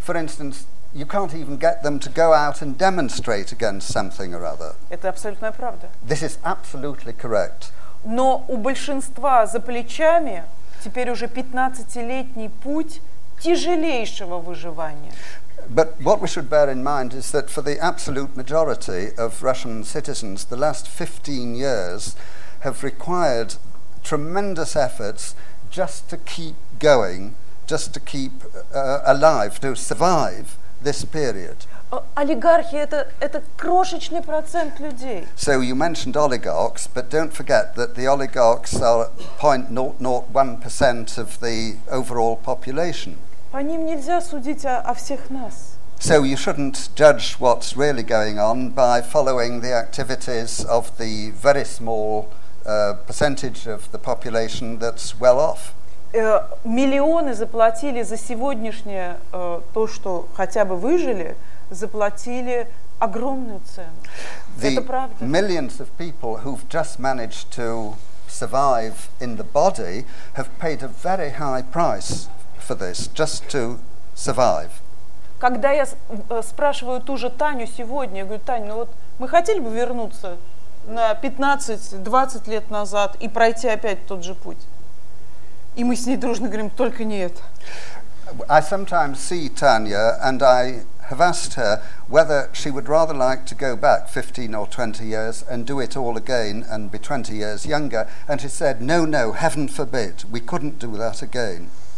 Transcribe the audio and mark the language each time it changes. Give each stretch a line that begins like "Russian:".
English: For instance, you can't even get them to go out and demonstrate against something or other.
Russian: Это абсолютная правда.
English: This is absolutely correct.
Russian: Но у большинства за плечами теперь уже 15-летний путь тяжелейшего выживания.
English: But what we should bear in mind is that for the absolute majority of Russian citizens, the last 15 years have required tremendous efforts just to keep going, just to keep alive, to survive this period.
Russian: Олигархи это крошечный процент людей.
English: So you mentioned oligarchs, but don't forget that the oligarchs are 0.001% of the overall population.
Russian: По ним нельзя судить о всех нас.
English: So you shouldn't judge what's really going on by following the activities of the very small percentage of the population that's well off.
Russian: Миллионы заплатили за сегодняшнее то, что хотя бы выжили, заплатили огромную цену. Это правда.
English: Millions of people who've just managed to survive in the body have paid a very high price for this, just to survive.
Russian: Когда я спрашиваю ту же Таню сегодня, я говорю: Тань, ну вот мы хотели бы вернуться на 15-20 лет назад и пройти опять тот же путь. И мы с ней дружно говорим: только не это.
English: I sometimes see Tanya and I have asked her whether she would rather like to go back 15 or 20 years and do it all again and be 20 years younger. And she said, no, no, heaven forbid, we couldn't do that again.